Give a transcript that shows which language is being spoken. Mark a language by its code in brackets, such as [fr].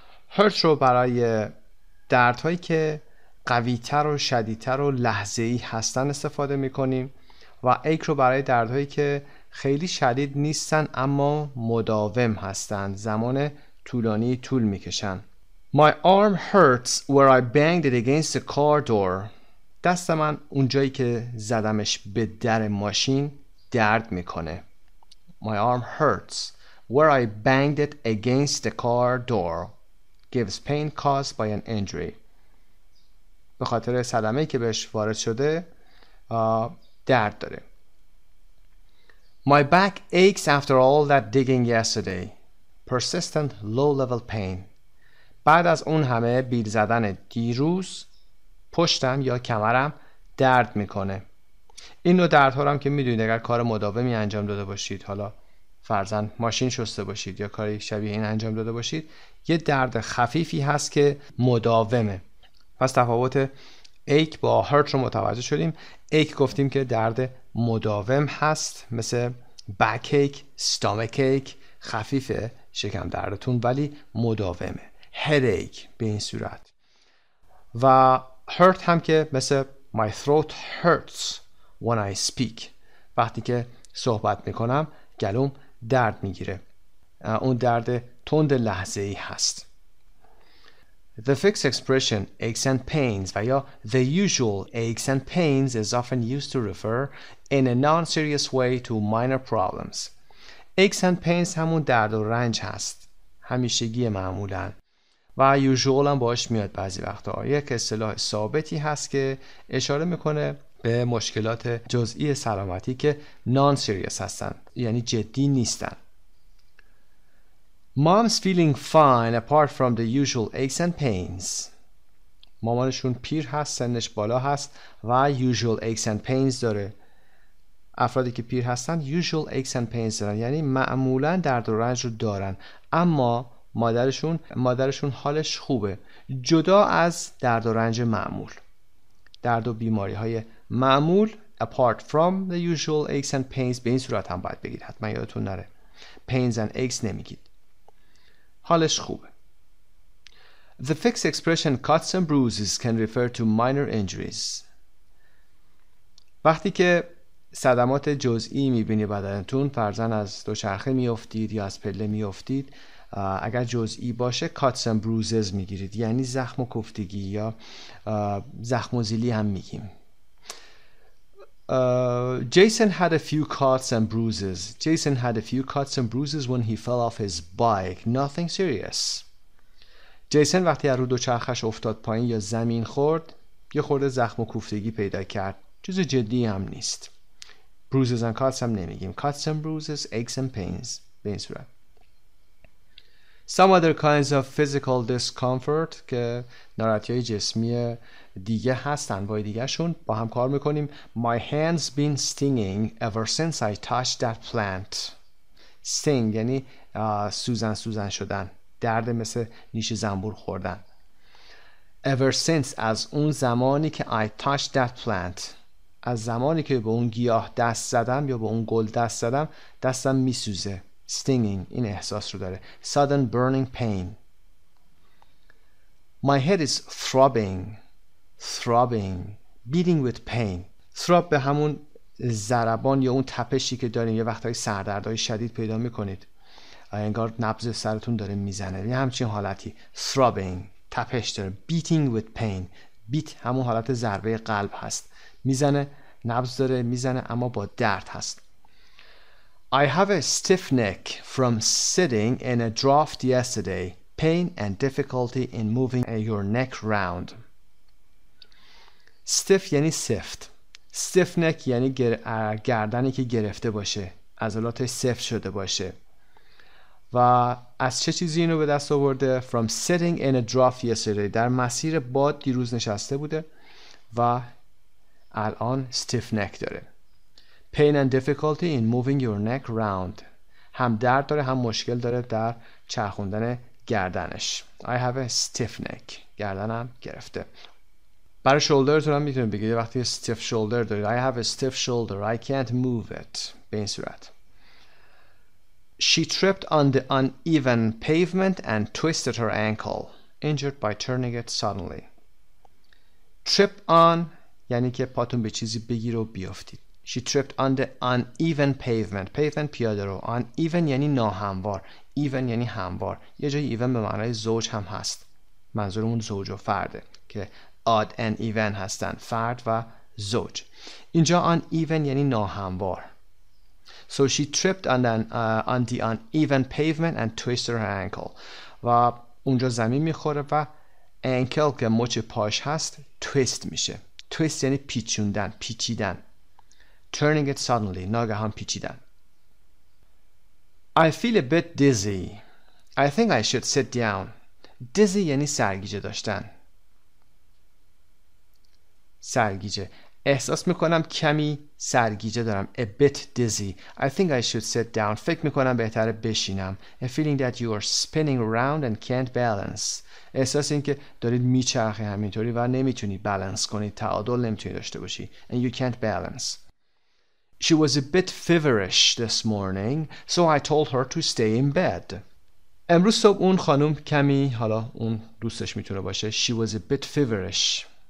[fa] hurt رو برای دردهایی که قوی تر و شدیدتر و لحظه‌ای هستن استفاده می‌کنیم و ache رو برای دردهایی که خیلی شدید نیستن اما مداوم هستن، زمان طولانی طول می‌کشن. [en] My arm hurts where I banged it against the car door. [fa] دست من اونجایی که زدمش به در ماشین درد می‌کنه. [en] My arm hurts where I banged it against the car door. Gives pain caused by an injury. [fa] به خاطر صدمه‌ای که بهش وارد شده درد داره. [en] My back aches after all that digging yesterday. Persistent low level pain. [fa] بعد از اون همه بیل زدن دیروز پشتم یا کمرم درد میکنه. اینو دردها رو هم که میدونید اگر کار مداومی انجام داده باشید، حالا فرزند ماشین شسته باشید یا کاری شبیه این انجام داده باشید، یه درد خفیفی هست که مداومه. پس تفاوت ایک با هرت رو متوجه شدیم. ایک گفتیم که درد مداوم هست، مثل بک ایک، استامک ایک، خفیفه شکم دردتون ولی مداومه، هد ایک به این صورت. و هرت هم که مثل [en] my throat hurts when I speak، [fa] وقتی که صحبت میکنم گلوم درد میگیره، اون درد تند لحظه ای هست. [en] The fixed expression aches and pains [fa] و یا [en] the usual aches and pains is often used to refer in a non-serious way to minor problems. Aches and pains [fa] همون درد و رنج هست، همیشگی معمولا، و usual هم باش میاد بعضی وقتا، یک اصطلاح ثابتی هست که اشاره میکنه به مشکلات جزئی سلامتی که نان سیریس هستن، یعنی جدی نیستن. [en] Mom's feeling fine apart from the usual aches and pains. [fa] مامانشون پیر هست، سنش بالا هست و [en] usual aches and pains [fa] داره. افرادی که پیر هستن [en] usual aches and pains [fa] دارن، یعنی معمولا درد و رنج رو دارن، اما مادرشون حالش خوبه، جدا از درد و رنج معمول. درد و بیماری های معمول [en] apart from the usual aches and pains [fa] به این صورت هم باید بگید، حتما یادتون نره، [en] pains and aches [fa] نمیگید، حالش خوبه. [en] The fixed expression cuts and bruises can refer to minor injuries. [fa] وقتی که صدمات جزئی میبینی بدنتون، فرضاً از دوچرخه میافتید یا از پله میافتید، اگر جزئی باشه [en] cuts and bruises [fa] میگیرید، یعنی زخم و کوفتگی یا زخم و زیلی هم میگیم. [en] Jason had a few cuts and bruises. Jason had a few cuts and bruises when he fell off his bike. Nothing serious. [fa] Jason وقتی از رو دوچرخش افتاد پایین یا زمین خورد، یه خورده زخم و کوفتگی پیدا کرد. چیز جدی هم نیست. [en] Bruises and cuts [fa] هم نمیگیم. [en] Cuts and bruises, aches and pains. [fa] به این صورت. [en] Some other kinds of physical discomfort [fa] که ناراحتی های جسمی دیگه هستن، با دیگه شون با هم کار میکنیم. [en] My hands been stinging ever since I touched that plant. [fa] Sting یعنی سوزن شدن، درد مثل نیش زنبور خوردن. [en] Ever since, [fa] از اون زمانی که [en] I touched that plant، [fa] از زمانی که به اون گیاه دست زدم یا به اون گل دست زدم، دستم میسوزه. Stinging، این احساس رو داره. [en] Sudden burning pain. My head is throbbing. Throbbing. Beating with pain. [fa] Throb به همون ضربان یا اون تپشی که داریم یه وقتای سردردهای شدید پیدا میکنید، انگار نبض سرتون داره میزنه، یه همچین حالتی. [en] Throbbing، [fa] تپش داره. [en] Beating with pain. [fa] Beat همون حالت ضربه قلب هست، میزنه، نبض داره میزنه اما با درد هست. [en] I have a stiff neck from sitting in a draft yesterday. Pain and difficulty in moving your neck round. [fa] Stiff یعنی سفت. [en] Stiff neck [fa] یعنی گردنی که گرفته باشه، عضلاتش سفت شده باشه. و از چه چیزی اینو به دست آورده؟ [en] From sitting in a draft yesterday. [fa] در مسیر باد دیروز نشسته بوده و الان [en] stiff neck [fa] داره. [en] Pain and difficulty in moving your neck round. [fa] هم درد داره هم مشکل داره در چرخوندن گردنش. [en] I have a stiff neck. [fa] گردنم گرفته. برای شولدرتون هم میتونید بگید وقتی [en] stiff shoulder [fa] دارید. [en] I have a stiff shoulder. I can't move it. [fa] به این صورت. [en] She tripped on the uneven pavement and twisted her ankle. Injured by turning it suddenly. [fa] Trip on یعنی که پاتون به چیزی بگیر و بیافتید. [en] She tripped on the uneven pavement. Pavement [fa] پیاده رو. Uneven یعنی ناهموار. Even یعنی هموار. یه جای even به معنای زوج هم هست. منظورمون زوج و فرده که [en] odd and even [fa] هستن. فرد و زوج. اینجا uneven یعنی ناهموار. [en] So she tripped on the uneven pavement and twisted her ankle. [fa] و اونجا زمین میخوره و ankle که مچ پاش هست twist میشه. Twist یعنی پیچوندن، پیچیدن. [en] Turning it suddenly. [fa] ناگهان پیچیدن. [en] I feel a bit dizzy. I think I should sit down. Dizzy [fa] یعنی سرگیجه داشتن. سرگیجه. احساس میکنم کمی سرگیجه دارم. [en] A bit dizzy. I think I should sit down. [fa] فکر میکنم بهتره بشینم. [en] A feeling that you are spinning round and can't balance. [fa] احساس این که دارید میچرخی همینطوری و نمیتونید بالانس کنید. تعادل نمیتونید داشته باشی. [en] And you can't balance. She was a bit feverish this morning, so I told her to stay in bed. [fa] امروز صبح اون خانم کمی، حالا اون دوستش میتونه باشه، [en] she was a bit feverish.